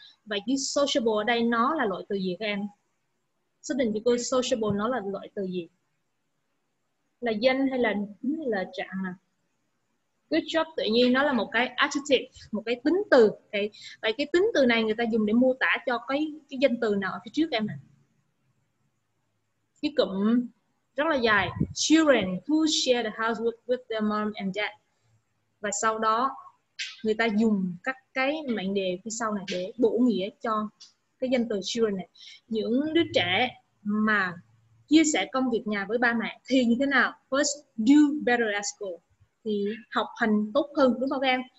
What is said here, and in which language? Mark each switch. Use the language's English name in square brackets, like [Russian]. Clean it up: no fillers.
[Vietnamese] Vậy chữ sociable ở đây nó là loại từ gì các em? Xác định cho cô sociable nó là loại từ gì? Là danh hay là tính hay là trạng à? [English] Good job, [Vietnamese] tự nhiên nó là một cái adjective, một cái tính từ. Okay. Vậy cái tính từ này người ta dùng để mô tả cho cái danh từ nào ở phía trước em ạ? Cái cụm rất là dài. [English] Children who share the house with their mom and dad. [Vietnamese] Và sau đó người ta dùng các cái mệnh đề phía sau này để bổ nghĩa cho cái danh từ children này. Những đứa trẻ mà chia sẻ công việc nhà với ba mẹ thì như thế nào? [English] First, do better at school. [Vietnamese] Thì học hành tốt hơn, đúng không em?